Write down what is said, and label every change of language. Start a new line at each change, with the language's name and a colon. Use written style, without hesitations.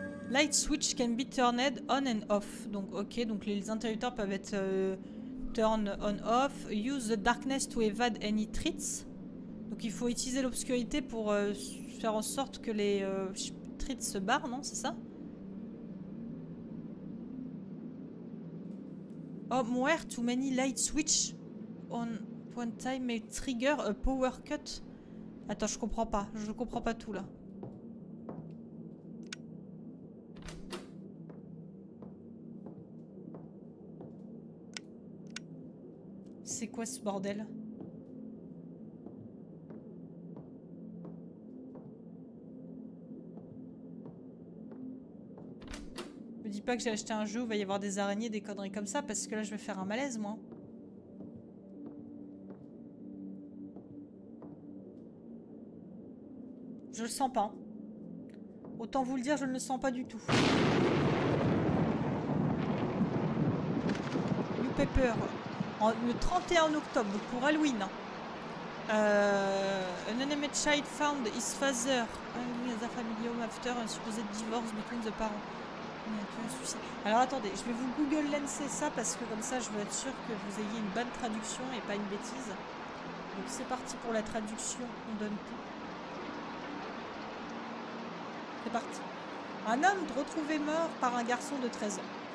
English: Light switch can be turned on and off.
French: Donc ok, donc les interrupteurs peuvent être turn on off.
English: Use the darkness to evade any treats.
French: Donc il faut utiliser l'obscurité pour faire en sorte que les treats se barrent, non? C'est ça?
English: Oh, where too many light switch on one time may trigger a power cut.
French: Attends, je comprends pas. Je comprends pas tout là. C'est quoi ce bordel? Me dis pas que j'ai acheté un jeu où il va y avoir des araignées, des conneries comme ça, parce que là je vais faire un malaise moi. Je le sens pas. Autant vous le dire, je ne le sens pas du tout. New Pepper. Le 31 octobre pour Halloween.
English: An unnamed child found his father hanging in the family home after a supposed divorce between the parents.
French: Alors attendez, je vais vous Google lancer ça parce que comme ça je veux être sûr que vous ayez une bonne traduction et pas une bêtise. Donc c'est parti pour la traduction, on donne tout. C'est parti. Un homme retrouvé mort par un garçon de 13 ans.